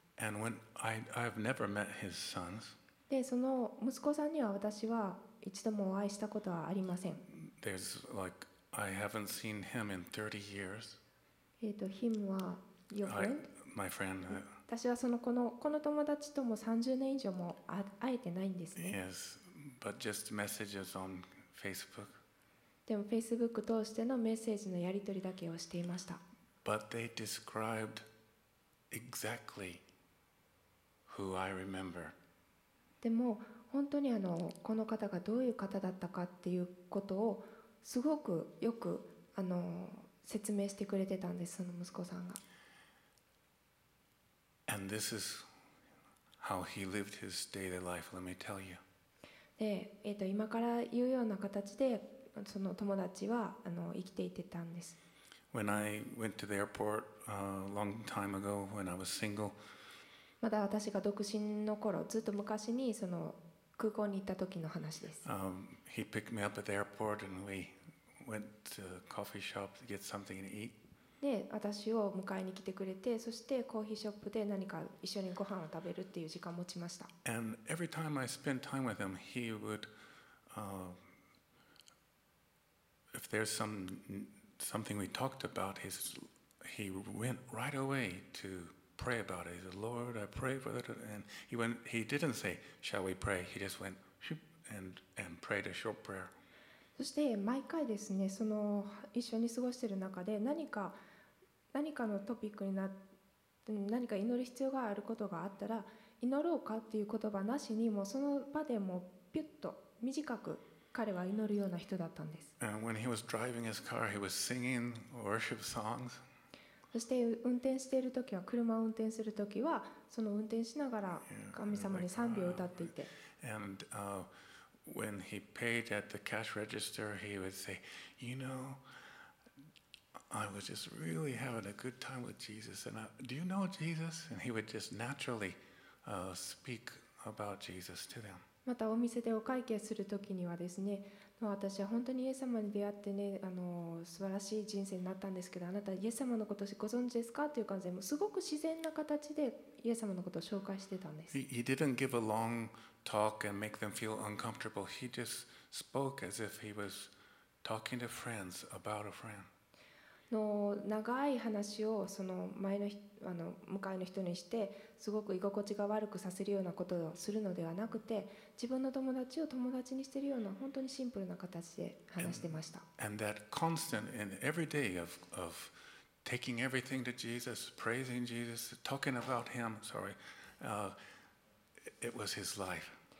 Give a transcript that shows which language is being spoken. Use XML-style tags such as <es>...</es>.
<en>And when I've never met his sons.</en> <ja>で、その息子さんには私は一度もお会いしたことはありません。</ja> <en>There's like I haven't seen him in 30 years. him</en> <ja>は</ja> <en>your friend? My friend.</en> <ja>私はその この友達とも30年以上も会えてないんですね。</ja> <en>Yes, but just messages on Facebook.</en> <ja>でも Facebook 通してのメッセージのやり取りだけをしていました。</ja> <en>But they described exactly who I remember.</en> <ja>でも本当にこの方がどういう方だったかっていうことをすごくよく説明してくれてたんです、その息子さんが。</ja> <en>And this is how he lived his daily life. Let me tell you.</en> <ja>で、今から言うような形で。その友達は生きていてたんです。</ja> <en>When I went to the airport a long time ago when I was single,</en> <ja>まだ私が独身の頃、ずっと昔にその空港に行った時の話です。</ja> <en>He picked me up at the airport and we went to a coffee shop to get something to eat.</en> <ja>で、私を迎えに来てくれて、そしてコーヒーショップで何か一緒にご飯を食べるっていう時間を持ちました。</ja> <en>And every time I spent time with him, he would、If there's something we talked about, he went right away to pray about it. He said, Lord, I pray for that. And he didn't say, shall we pray? He just went, shoop, and prayed a short prayer.</en> <ja>そして毎回ですね、その一緒に過ごしている中で何かのトピックにな、何か祈る必要があることがあったら、祈ろうかっていう言葉なしに、もうその場でもピュッと短く、彼は祈るような人だったんです。</ja> <en>And when he was driving his car, he was singing worship songs.</en> <ja>そして運転しているときは、車を運転するときは、その運転しながら神様に賛美を歌っていて。</ja> <en>And when he paid at the cash register, he would say, "You know, I was just really having a good time with Jesus. And do you know Jesus?" And he would just naturally speak about Jesus to them.</en> <ja>またお店でお会計するときにはですね、私は本当にイエス様に出会ってね、素晴らしい人生になったんですけど、あなたイエス様のことご存知ですかという感じで、もうすごく自然な形でイエス様のことを紹介してたんです。</ja> <en>He didn't give a long talk and make them feel uncomfortable. He just spoke as if he was talking to friends about a friend.</en> <ja>の長い話をその前の向かいの人にしてすごく居心地が悪くさせるようなことをするのではなくて、自分の友達を友達にしているような本当にシンプルな形で話してました。</ja> <en>And that constant and every day of taking everything to Jesus, praising Jesus, talking about Him, sorry, it was his life.</en>